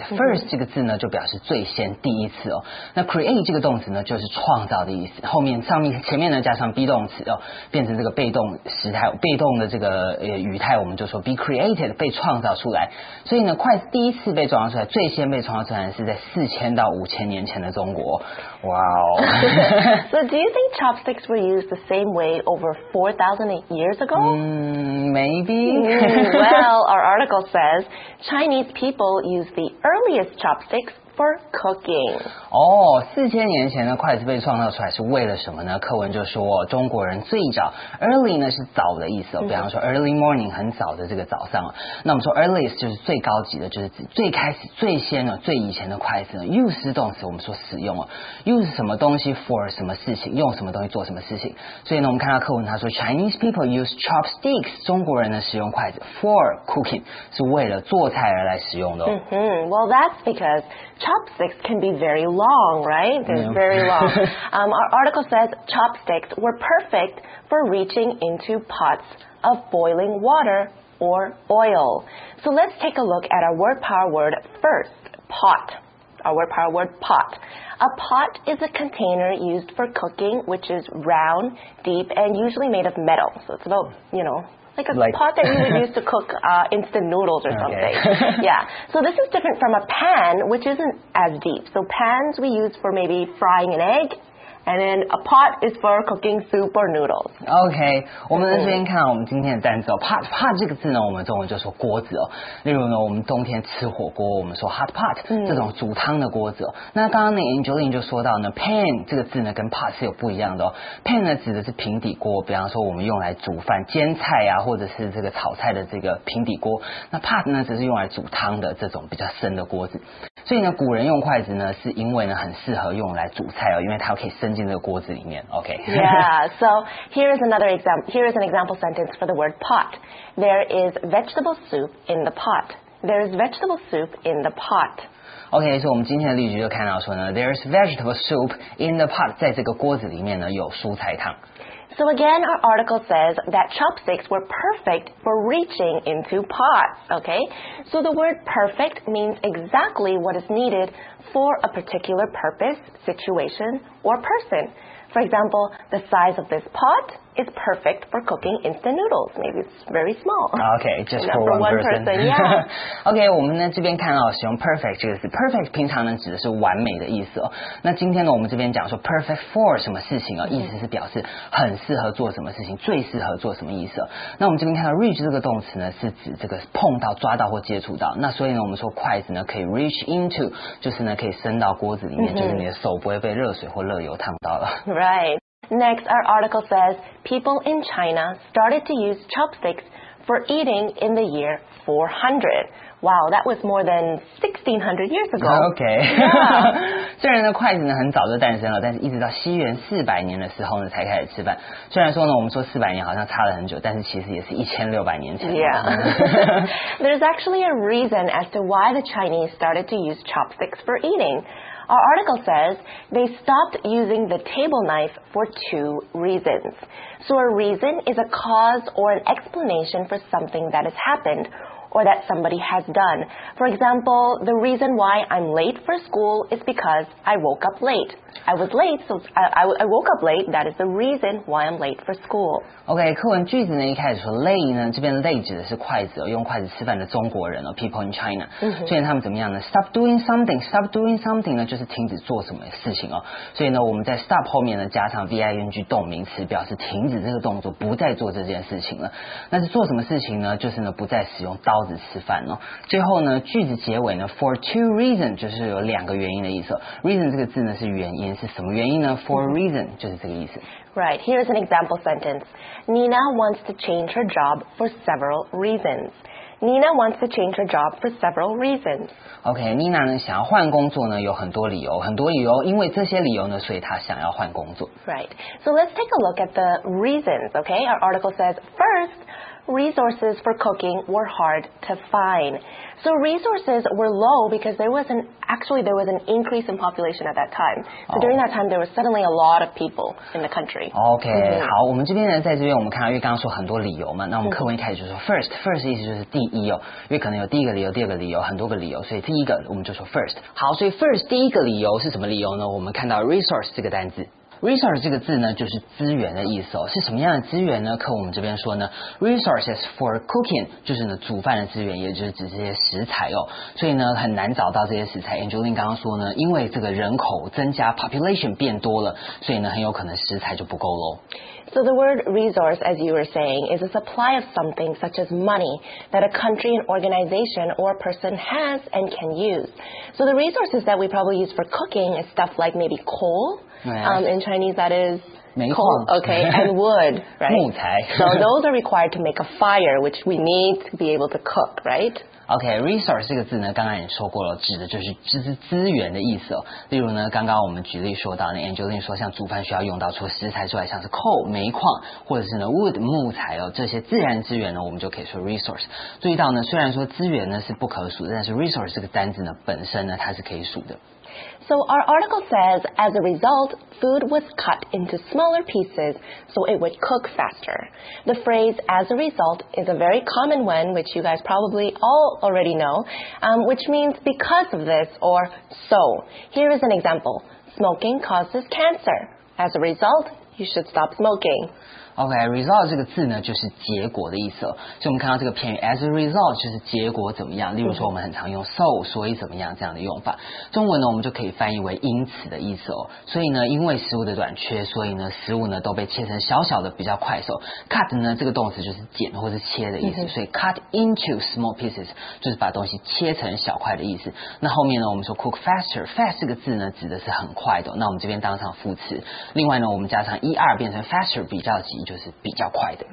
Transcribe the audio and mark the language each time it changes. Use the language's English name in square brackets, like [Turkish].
[Chinese] First 这个字呢就表示最先第一次哦。那 create 这个动词呢就是创造的意思。后面上面前面呢加上 be 动词哦，变成这个被动时态，被动的这个语态，我们就说 [English] be created, [Chinese] 被创造出来。所以呢筷子第一次被创造出来，最先被创造出来是在4000到5000年前的中国。哇哦。 [English] So do you think chopsticks were used the same way over 4,000 years ago? Maybe. Well, our article says Chinese people use the earliest chopsticks for cooking. [Chinese] Oh, 4000年前的筷子被创造出来是为了什么呢？课文就说，中国人最早 early 呢是早的意思，比方说 [English] early morning [Chinese] 很早的这个早上。那我们说 earliest 就是最高级的，就是最开始、最先的、最以前的筷子呢。 Use 动词，我们说使用啊 ，use 什么东西 for 什么事情，用什么东西做什么事情。所以呢，我们看到课文他说 [English] Chinese people use chopsticks， [Chinese] 中国人呢使用筷子 [English] for cooking， [Chinese] 是为了做菜而来使用的。 [English] Well, that's becauseChopsticks can be very long, right? They're very long. Our article says chopsticks were perfect for reaching into pots of boiling water or oil. So let's take a look at our word power word first, pot. Our word power word pot. A pot is a container used for cooking, which is round, deep, and usually made of metal. So it's about, you know... Like a pot that you would use to cook instant noodles or something. Yeah. So this is different from a pan, which isn't as deep. So pans we use for maybe frying an egg. And then a pot is for cooking soup or noodles. [Chinese] Okay, 我们在这边看到我们今天的单词哦 ，pot 这个字呢，我们中文就说锅子哦。例如呢，我们冬天吃火锅，我们说 [English] hot pot [Chinese] 这种煮汤的锅子哦。那刚刚那 Angeline 就说到呢 ，pan 这个字呢跟 pot 是有不一样的哦。 Pan 呢指的是平底锅，比方说我们用来煮饭、煎菜啊，或者是这个炒菜的这个平底锅。那 pot 呢只是用来煮汤的这种比较深的锅子。所以呢，古人用筷子呢，是因为呢很适合用来煮菜哦，因为它可以伸进这个锅子里面。 [English] OK. Yeah. So here is another example. Here is an example sentence for the word pot. There is vegetable soup in the pot. There is vegetable soup in the pot. [Chinese] OK, 所以我们今天的例句就看到说呢 [English] There's vegetable soup in the pot [Chinese] 在这个锅子里面呢有蔬菜汤 [English] So again, our article says that chopsticks were perfect for reaching into pots, OK? So the word perfect means exactly what is needed for a particular purpose, situation, or person. For example, the size of this pot is perfect for cooking instant noodles. Maybe it's very small. Okay, just for one person. Yeah. [Chinese] Okay, 我们呢这边看到使用 perfect 这个词 perfect 平常呢指的是完美的意思哦。那今天呢我们这边讲说 perfect for 什么事情哦，意思是表示很适合做什么事情，最适合做什么意思哦。那我们这边看到 reach 这个动词呢是指这个碰到、抓到或接触到。那所以呢我们说筷子呢可以 [English] reach into， [Chinese] 就是呢可以伸到锅子里面，就是你的手不会被热水或热油烫到了。 [English] Right. Next, our article says people in China started to use chopsticks for eating in the year 400. Wow, that was more than 1600 years ago. Okay. Yeah. [Chinese] 虽然呢筷子呢很早就诞生了，但是一直到西元400年的时候呢才开始吃饭。虽然说呢我们说400年好像差了很久，但是其实也是1600年前了。 [English] Yeah. There's actually a reason as to why the Chinese started to use chopsticks for eating. Our article says they stopped using the table knife for two reasons. So a reason is a cause or an explanation for something that has happened or that somebody has done. For example, the reason why I'm late for school is because I woke up late. I was late, so I woke up late. That is the reason why I'm late for school. [Chinese] OK, 课文句子呢一开始说 lay 呢，这边 lay 指的是筷子哦，用筷子吃饭的中国人哦 ， [English] people in China。 [Chinese] 所以他们怎么样呢 ？ [English] Stop doing something. Stop doing something [Chinese] 呢，就是停止做什么事情哦。所以呢，我们在 stop 后面呢加上 ving 动名词，表示停止这个动作，不再做这件事情了。那是做什么事情呢？就是呢不再使用刀子吃饭哦。最后呢，句子结尾呢 [English] for two reasons [Chinese] 就是有两个原因的意思。 Reason 这个字呢是原因。是什么原因呢 ？ [English] For a reason [Chinese] 就是这个意思。 [English] Right. Here is an example sentence. Nina wants to change her job for several reasons. Nina wants to change her job for several reasons. Okay. [Chinese] Nina 呢想要换工作呢有很多理由，很多理由，因为这些理由呢，所以她想要换工作。 [English] Right. So let's take a look at the reasons. Okay. Our article says first, resources for cooking were hard to find. So resources were low because there was an increase in population at that time. So during that time, there was suddenly a lot of people in the country. Okay,、mm-hmm. [Chinese] 好，我们这边呢，在这边我们看到，因为刚刚说很多理由嘛，那我们课文一开始就说 first 意思就是第一哦，因为可能有第一个理由、第二个理由、很多个理由，所以第一个我们就说 first。好，所以 first 第一个理由是什么理由呢？我们看到 resource 这个单字。 Resource 这个字呢，就是资源的意思哦。是什么样的资源呢？可我们这边说呢 ， [English] resources for cooking [Chinese] 就是呢煮饭的资源，也就是指这些食材哦。所以呢，很难找到这些食材。Angeline 刚刚说呢，因为这个人口增加 ，population 变多了，所以呢，很有可能食材就不够喽。 [English] So the word resource, as you were saying, is a supply of something such as money that a country, an organization, or a person has and can use. So the resources that we probably use for cooking is stuff like maybe coal. Yeah. In Chinese, that is... [Chinese] 煤矿 [English] okay, and wood, right? [Chinese] 木材 [English] So those are required to make a fire, which we need to be able to cook, right? [Chinese] Okay, resource 这个字呢，刚刚也说过了，指的就是资源的意思哦。例如呢，刚刚我们举例说到，那 Angeline 说，像煮饭需要用到除了食材之外，像是 coal 煤矿，或者是呢 wood 木材哦，这些自然资源呢，我们就可以说 resource。注意到呢，虽然说资源呢是不可数，但是 resource 这个单字呢本身呢它是可以数的。 [English] So our article says, as a result, food was cut into smaller pieces so it would cook faster. The phrase, as a result, is a very common one, which you guys probably all already know, which means because of this or so. Here is an example. Smoking causes cancer. As a result, you should stop smoking. [Chinese] OK, result 这个字呢就是结果的意思、哦、所以我们看到这个片语 [English] as a result [Chinese] 就是结果怎么样例如说我们很常用 so 所以怎么样这样的用法中文呢我们就可以翻译为因此的意思、哦、所以呢因为食物的短缺所以呢食物呢都被切成小小的比较快手 cut 呢这个动词就是剪或是切的意思、嗯、所以 [English] cut into small pieces [Chinese] 就是把东西切成小块的意思那后面呢我们说 [English] cook faster [Chinese] fast 这个字呢指的是很快的、哦、那我们这边当上副词另外呢我们加上 er 变成 faster 比较急就是比较快的